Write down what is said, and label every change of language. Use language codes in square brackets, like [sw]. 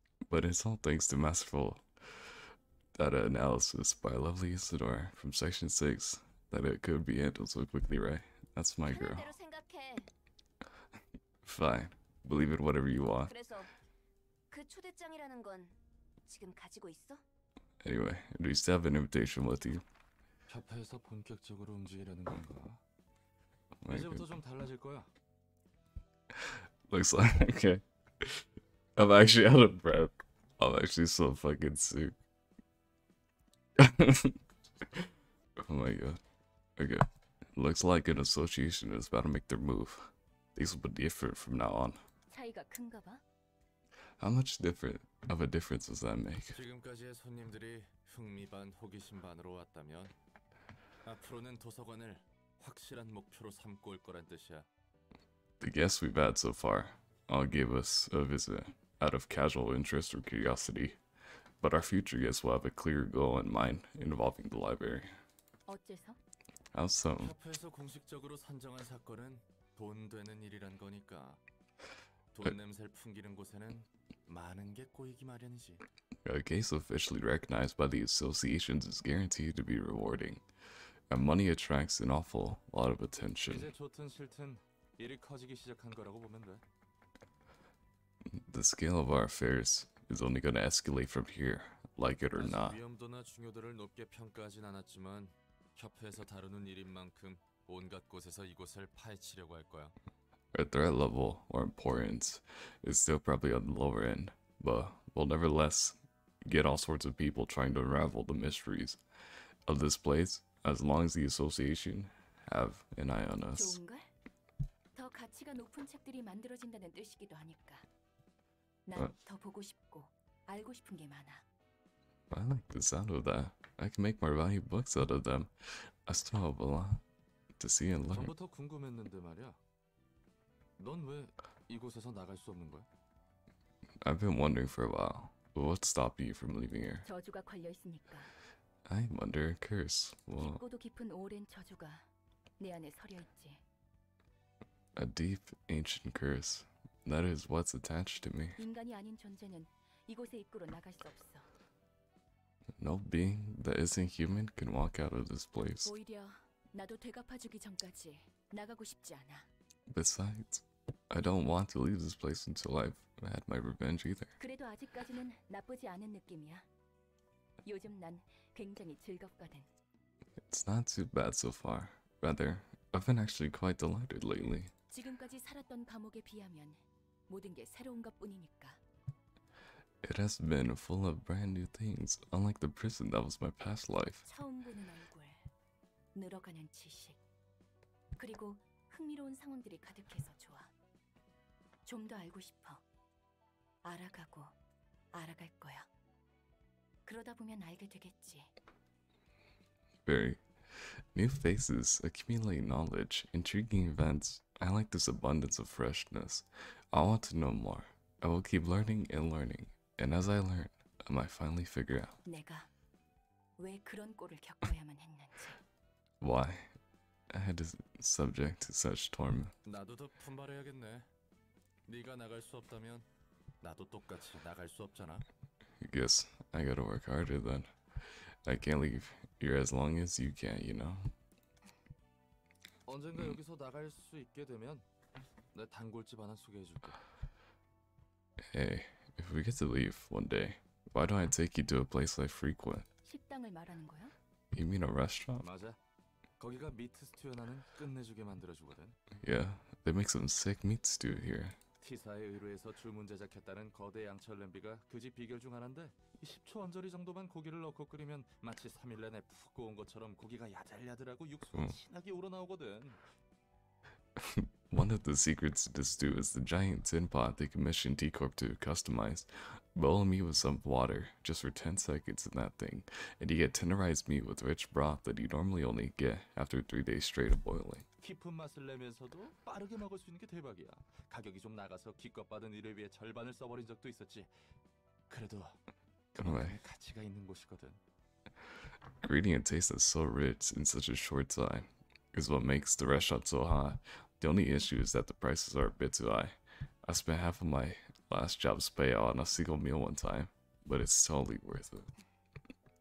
[en] But it's all thanks to masterful data analysis by lovely Isidore from Section 6 that it could be handled so quickly, right? That's my girl. Fine. Believe it whatever you want. [ko] 그래서 그 초대장이라는 건 지금 가지고 있어? [en] Anyway, do you still have an invitation with you? [ko] 협회에서 본격적으로 움직이려는 건가? 이제부터 좀 달라질 거야. [en] Looks like, okay. I'm actually out of breath. I'm actually so fucking sick. Oh my god. Okay. Looks like an association is about to make their move. Things will be different from now on. [ko] 차이가 큰가 봐? [en] How much different of a difference does that make? [ko] 지금까지의 손님들이 흥미 반, 호기심 반으로 왔다면 앞으로는 도서관을 확실한 목표로 삼고 올 거란 뜻이야. [en] The guests we've had so far all gave us a visit out of casual interest or curiosity. But our future guests will have a clear goal in mind involving the library. [ko] 어째서? [en] Awesome. [ko] 협회에서 공식적으로 선정한 사건은 돈 되는 일이란 거니까 돈 냄새를 풍기는 곳에는 많은 게 꼬이기 마련이지. [en] A case officially recognized by the associations is guaranteed to be rewarding, and money attracts an awful lot of attention. [ko] 이제 좋든 싫든 일이 커지기 시작한 거라고 보면 돼. [en] the scale of our affairs is only going to escalate from here, like it or not. [ko] 위험도나 중요도를 높게 평가하진 않았지만 협회에서 다루는 일인 만큼 온갖 곳에서 이곳을 파헤치려고 할 거야. [en] Our threat level or importance is still probably on the lower end, but we'll nevertheless get all sorts of people trying to unravel the mysteries of this place as long as the association have an eye on us. [ko] 더 가치가 높은 책들이 만들어진다는 뜻이기도 하니까. 난 더 보고 싶고 알고 싶은 게 많아. [en] I like the sound of that. I can make more valuable books out of them. I still have a lot to see and learn. [ko] 전부터 궁금했는데 말이야. 넌 왜 이곳에서 나갈 수 없는 거야? [en] I've been wondering for a while. What stopped you from leaving here? [ko] 저주가 걸려 있으니까. [en] I'm under a curse. Well, [ko] 깊고도 깊은 오랜 저주가 내 안에 서려 있지. [en] A deep ancient curse. That is what's attached to me. [ko] 인간이 아닌 존재는 이곳의 입구로 나갈 수 없어. [en] No being that isn't human can walk out of this place. [ko] 오히려 나도 되갚아주기 전까지 나가고 싶지 않아. [en] Besides, I don't want to leave this place until I've had my revenge either. [ko] 그래도 아직까지는 나쁘지 않은 느낌이야. 요즘 난 굉장히 즐겁거든. [en] It's not too bad so far. Rather, I've been actually quite delighted lately. [ko] 지금까지 살았던 감옥에 비하면 모든 게 새로운 것뿐이니까. [en] It has been full of brand new things, unlike the prison that was my past life. [ko] 처음 보는 얼굴, 늘어가는 지식, 그리고 흥미로운 상황들이 가득해서 좋아. 좀 더 알고 싶어. 알아가고 알아갈 거야. 그러다 보면 알게 되겠지. [en] Very. New faces accumulate knowledge, intriguing events. I like this abundance of freshness. I want to know more. I will keep learning and learning. And as I learn, I might finally figure out. [ko] 내가 왜 그런 꼴을 겪어야만 했는지. [en] Why? I had to subject to such torment. [ko] 나도 더 분발해야겠네. 네가 나갈 수 없다면 나도 똑같이 나갈 수 없잖아. [en] I guess I gotta work harder then. I can't leave here as long as you can, you know? [ko] 언젠가 여기서 나갈 수 있게 되면 내 단골집 하나 소개해줄게. [en] Hey, if we get to leave one day, why don't I take you to a place I frequent? [ko] 식당을 말하는 거야? [en] You mean a restaurant? [ko] 맞아. 거기가 미트 스튜 하나는 끝내주게 만들어주거든. [en] Yeah, they make some sick meat stew here. [ko] 티사의 의뢰에서 주문 제작했다는 거대 양철 냄비가 그 집 비결 중 하나인데 10초 언저리 정도만 고기를 넣고 끓이면 마치 3일 내내 푹 구운 것처럼 고기가 야들야들하고 육수가 진하게 우러나오거든. [en] One of the secrets to the stew is the giant tin pot they commissioned T-Corp to customize. Boil meat with some water, just for 10 seconds in that thing, and you get tenderized meat with rich broth that you normally only get after 3 days straight of boiling. [ko] 깊은 맛을 내면서도 빠르게 먹을 수 있는 게 대박이야. 가격이 좀 나가서 기껏 받은 일을 위해 절반을 써버린 적도 있었지. 그래도 그만큼의 가치가 있는 곳이거든. [en] Ingredient taste that's so rich in such a short time is what makes the restaurant so hot. The only issue is that the prices are a bit too high. I spent half of my last job's pay on a single meal one time, but it's totally worth it.